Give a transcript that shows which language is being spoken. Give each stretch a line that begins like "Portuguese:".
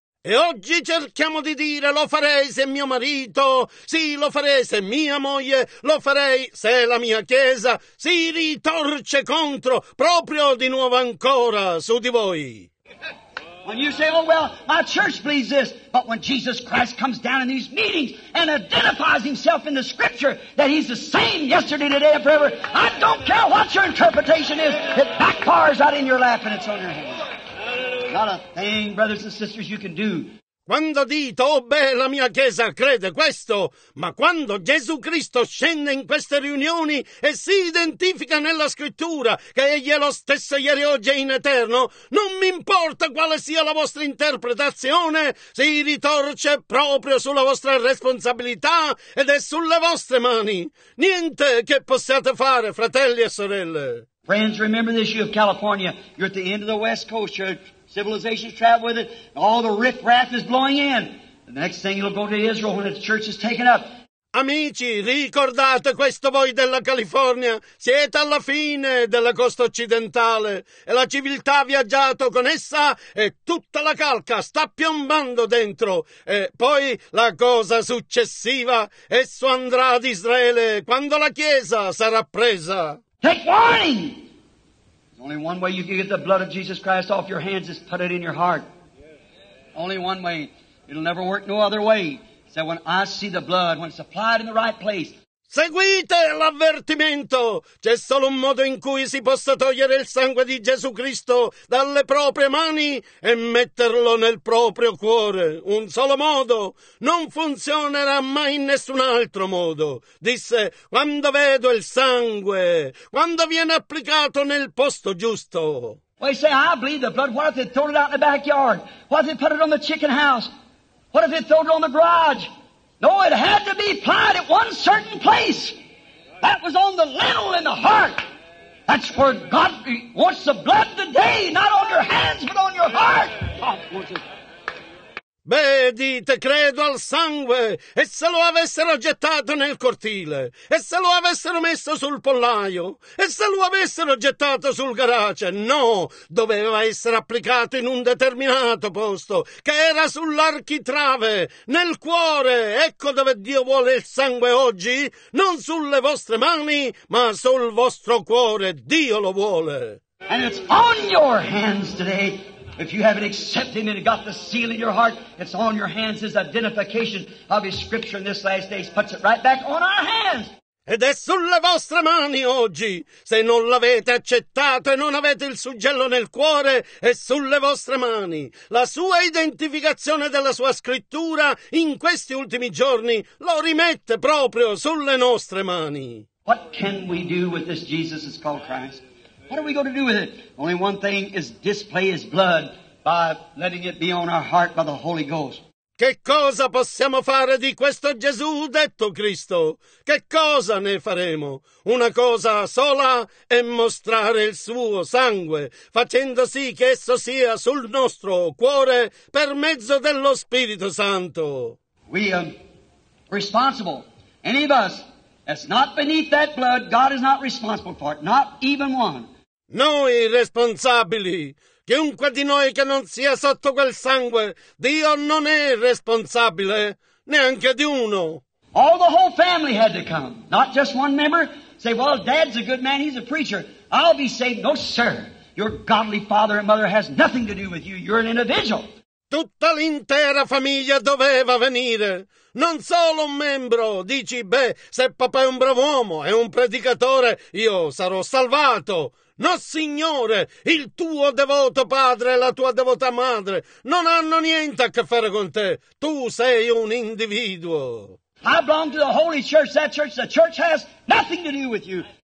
Italian: E oggi cerchiamo di dire lo farei se mio marito, sì lo farei se mia moglie, lo farei se la mia chiesa, si ritorce contro proprio di nuovo ancora su di voi.
English: When you say, oh well, my church believes this, but when Jesus Christ comes down in these meetings and identifies himself in the scripture that he's the same yesterday, today, and forever, I don't care what your interpretation is, it backfires right in your lap and it's on your hands. Not a thing, brothers and sisters, you can do.
Italian: Quando dite, oh beh, la mia chiesa crede questo, ma quando Gesù Cristo scende in queste riunioni e si identifica nella scrittura che egli è lo stesso ieri, oggi e in eterno, non mi importa quale sia la vostra interpretazione, si ritorce proprio sulla vostra responsabilità ed è sulle vostre mani. Niente che possiate fare, fratelli e sorelle.
English: Friends, remember this, you of California, you're at the end of the West Coast, you're... Civilizations travel with it, and all the riffraff is blowing in. The next thing you'll go to Israel when the church is taken up.
Italian: Amici, ricordate questo voi della California. Siete alla fine della costa occidentale e la civiltà ha viaggiato con essa e tutta la calca sta piombando dentro. E poi la cosa successiva, esso andrà ad Israele quando la Chiesa sarà presa.
English: Take warning! Only one way you can get the blood of Jesus Christ off your hands is put it in your heart. Only one way. It'll never work no other way. So when I see the blood, when it's applied in the right place...
Italian: Seguite l'avvertimento! C'è solo un modo in cui si possa togliere il sangue di Gesù Cristo dalle proprie mani e metterlo nel proprio cuore. Un solo modo. Non funzionerà mai in nessun altro modo. Disse, quando vedo il sangue, quando viene applicato nel posto giusto.
English: Well, you say, I bleed the blood. What if they throw it out in the backyard? What if they put it on the chicken house? What if they throw it on the garage? No, it had to be applied at one certain place. That was on the lintel in the heart. That's where God wants the blood today, not on your hands, but on your heart.
Italian: Beh, dite, credo al sangue, e se lo avessero gettato nel cortile, e se lo avessero messo sul pollaio, e se lo avessero gettato sul garage, no, doveva essere applicato in un determinato posto, che era sull'architrave, nel cuore, ecco dove Dio vuole il sangue oggi, non sulle vostre mani, ma sul vostro cuore, Dio lo vuole.
English: And it's on your hands today. If you haven't accepted him and got the seal in your heart, it's on your hands, his identification of his scripture in this last days. Puts it right back on our hands.
Italian: Ed è sulle vostre mani oggi. Se non l'avete accettato e non avete il suggello nel cuore, è sulle vostre mani. La sua identificazione della sua scrittura in questi ultimi giorni lo rimette proprio sulle nostre mani.
English: What can we do with this Jesus is called Christ? What are we going to do with it? Only one thing is display his blood by letting it be on our heart by the Holy Ghost.
Italian: Che cosa possiamo fare di questo Gesù detto Cristo? Che cosa ne faremo? Una cosa sola è mostrare il suo sangue, facendo sì che esso sia sul nostro cuore per mezzo dello Spirito Santo.
English: We are responsible. Any of us. That's not beneath that blood. God is not responsible for it. Not even one.
Italian: Noi responsabili. Chiunque di noi che non sia sotto quel sangue, Dio non è responsabile neanche di uno.
English: All the whole family had to come. Not just one member. Say, well, Dad's a good man. He's a preacher. I'll be saved. No, sir. Your godly father and mother has nothing to do with you. You're an individual.
Italian: Tutti tutta l'intera famiglia doveva venire. Non solo un membro. Dici, beh, se papà è un bravo uomo e un predicatore, io sarò salvato. No, signore, il tuo devoto padre e la tua devota madre non hanno niente a che fare con te. Tu sei un individuo.
English: I belong to the Holy Church. That church, the church has nothing to do with you.